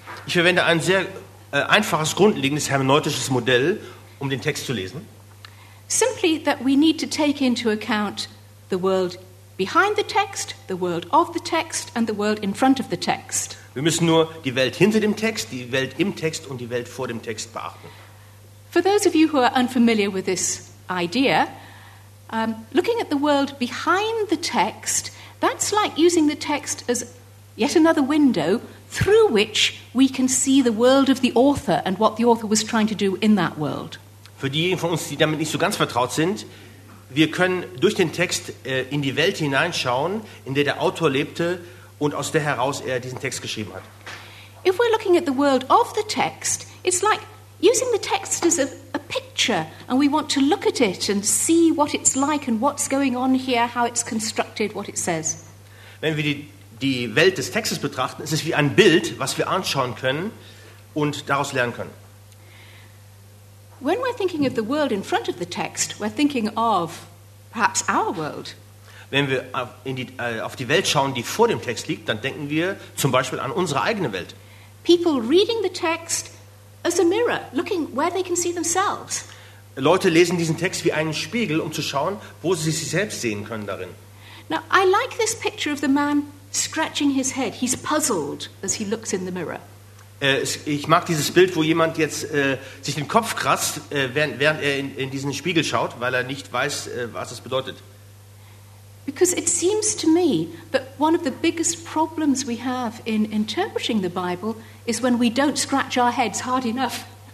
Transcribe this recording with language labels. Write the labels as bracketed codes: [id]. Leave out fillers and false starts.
[de] Ich verwende ein sehr einfaches, grundlegendes hermeneutisches Modell, um den Text zu lesen. [en] Simply that we need to take into account the world behind the text, the world of the text and the world in front of the text. [de] Wir müssen nur die Welt hinter dem Text, die Welt im Text und die Welt vor dem Text beachten. [en] For those of you who are unfamiliar with this idea, looking at the world behind the text, that's like using the text as yet another window through which we can see the world of the author and what the author was trying to do in that world. [de] Für diejenigen von uns, die damit nicht so ganz vertraut sind, wir können durch den Text in die Welt hineinschauen, in der der Autor lebte und aus der heraus er diesen Text geschrieben hat. [en] If we're looking at the world of the text, it's like using the text as a picture, and we want to look at it and see what it's like and what's going on here, how it's constructed, what it says. [de] Wenn wir die Welt des Textes betrachten, ist es wie ein Bild, was wir anschauen können und daraus lernen können. [en] When we're thinking of the world in front of the text, we're thinking of perhaps our world. [de] Wenn wir auf die Welt schauen, die vor dem Text liegt, dann denken wir zum Beispiel an unsere eigene Welt. [en] People reading the text as a mirror, looking where they can see themselves. [de] Leute lesen diesen Text wie einen Spiegel, um zu schauen, wo sie sich selbst sehen können darin. [en] Now, I like this picture of the man scratching his head. He's puzzled as he looks in the mirror. [de] Ich mag dieses Bild, wo jemand jetzt sich den Kopf kratzt, während er in diesen Spiegel schaut, weil er nicht weiß, was es bedeutet. [en] Because it seems to me that one of the biggest problems we have in interpreting the Bible is when we don't scratch our heads hard enough.